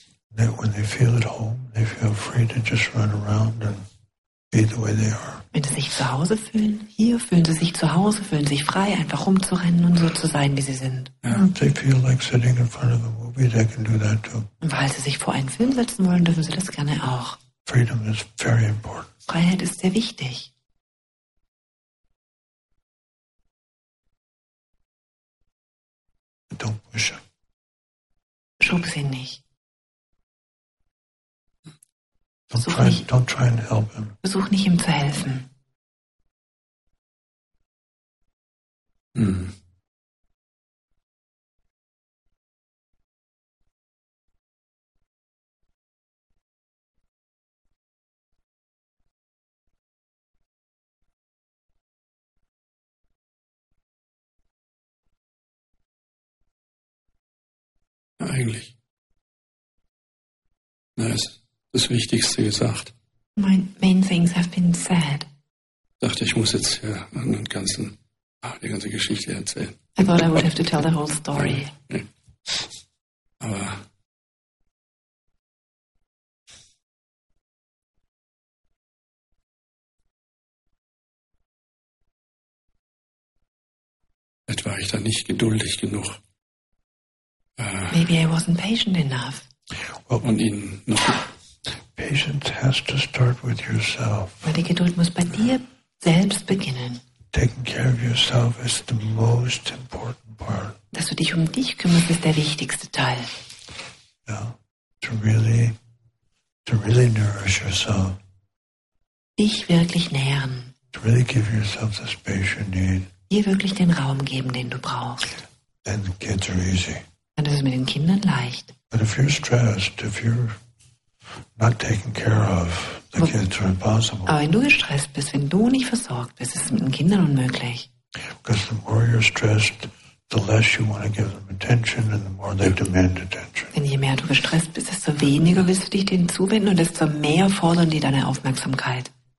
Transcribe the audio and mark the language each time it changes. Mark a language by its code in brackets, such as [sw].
[en] When they feel at home, they feel free to just run around and be the way they are. [de] Wenn sie sich zu Hause fühlen, hier fühlen sie sich zu Hause, fühlen sich frei, einfach rumzurennen und so zu sein, wie sie sind. [en] They feel like sitting in front of a movie, they can do that too. [de] Und weil sie sich vor einen Film setzen wollen, dürfen sie das gerne auch. [en] Freedom is very important. [de] Freiheit ist sehr wichtig. [en] Don't push them. [de] Schub sie nicht. Versuch nicht, ihm zu helfen. Eigentlich. Na, ist das Wichtigste gesagt. [en] My main things have been said. [de] Dachte, ich muss jetzt hier einen ganzen, die ganze Geschichte erzählen. [en] I thought I would have to tell the whole story. [de] Aber vielleicht war ich da nicht geduldig genug. [en] Maybe I wasn't patient enough. [de] Well, und ihn noch. [en] Patience has to start with yourself. [de] Weil die Geduld muss bei dir selbst beginnen. [en] Taking care of yourself is the most important part. [de] Dass du dich um dich kümmerst, ist der wichtigste Teil. [en] Yeah. To really nourish yourself. [de] Dich wirklich nähren. [en] To really give yourself the space you need. [de] Dir wirklich den Raum geben, den du brauchst. [en] Then the kids are easy. [de] Dann ist es mit den Kindern leicht. [en] But if you're stressed, if you're not taken care of, the kids are impossible. [de] Aber wenn du gestresst bist, wenn du nicht versorgt bist, ist es mit den Kindern unmöglich. [en] Because the more you're stressed, the less you want to give them attention and the more they demand attention. [de] Denn je mehr du gestresst bist, desto weniger willst du dich denen zuwenden und desto mehr fordern die deine Aufmerksamkeit.